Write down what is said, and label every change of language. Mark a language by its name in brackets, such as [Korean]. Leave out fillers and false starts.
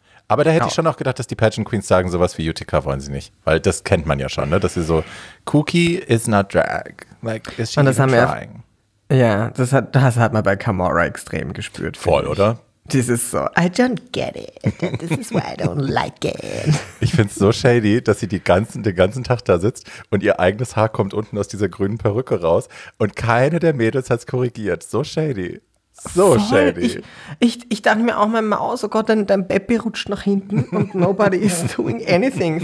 [German] Aber da hätte ich schon auch gedacht, dass die Pageant Queens sagen, sowas wie Utica wollen sie nicht. Weil das kennt man ja schon, ne? Dass sie so, [English] Cookie is not drag. Like, is she even trying? [German] Ja, das hat man bei Kamora extrem gespürt. Voll, oder? [English] This is so, I don't get it. And this is why I don't like it. [German] Ich finde es so shady, dass sie den ganzen Tag da sitzt und ihr eigenes Haar kommt unten aus dieser grünen Perücke raus und keine der Mädels hat es korrigiert. [English] So shady. So [German] voll [English] shady. [German] Ich dachte mir auch mal, Maus, oh Gott, dein Beppi rutscht nach hinten und [English] nobody is doing anything.